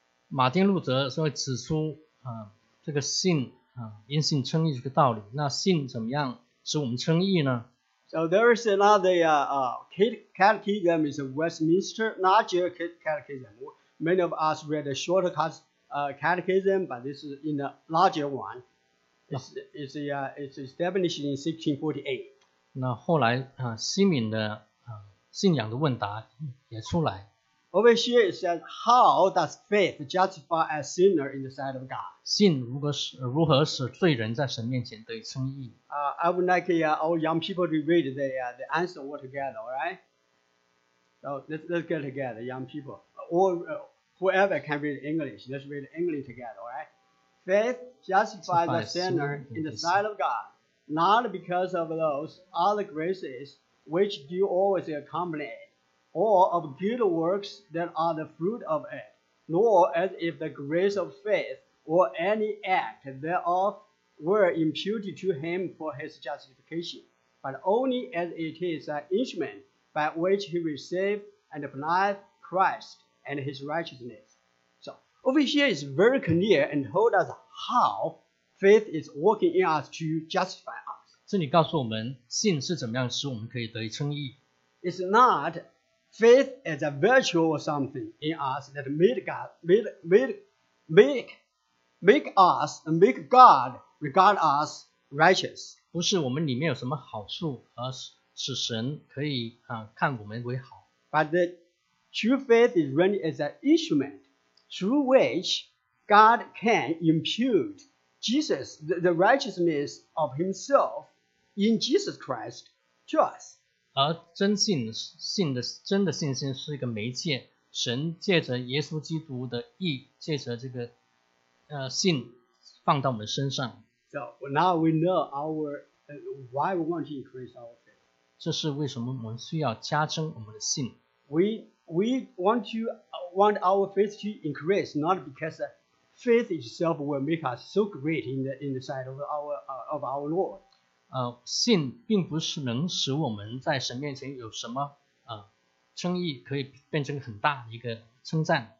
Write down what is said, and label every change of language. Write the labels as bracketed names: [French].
[Chinese] 马丁路德所以指出这个信因信称义这个道理那信怎么样使我们称义呢 [English] So there is another catechism is a Westminster larger catechism. Many of us read a shorter catechism but this is in a larger one. It's established in 1648. [Chinese] 那后来西敏的信仰的问答也出来。 [English] Over here it says, how does faith justify a sinner in the sight of God? [Chinese] 信如何使罪人在神面前得称义。 [English] I would like all young people to read the answer all together, all right? So let's get together, young people. Whoever can read English, let's read English together, all right? Faith justifies a sinner in the sight of God, not because of those other graces,which do you always accompany, or of good works that are the fruit of it, nor as if the grace of faith or any act thereof were imputed to him for his justification, but only as it is an instrument by which he received and applied Christ and his righteousness. So, over here is very clear and told us how faith is working in us to justify us. [Chinese] 这里告诉我们信是怎么样使我们可以得称义。 [English] It's not faith as a virtue or something in us that make God regard us righteous. [Chinese] 不是我们里面有什么好处而使神可以看我们为好。 [English] But the true faith is really as an instrument through which God can impute Jesus, the righteousness of himself,In Jesus Christ to us. [Chinese] 而真的信心是一个媒介，神借着耶稣基督的义，借着这个信放到我们身上。 [English] So now we know why we want to increase our faith. [Chinese] 这是为什么我们需要加增我们的信。 [English] We want our faith to increase, not because faith itself will make us so great in the sight of our Lord. [Chinese] 信并不是能使我们在神面前有什么称义可以变成很大一个称赞。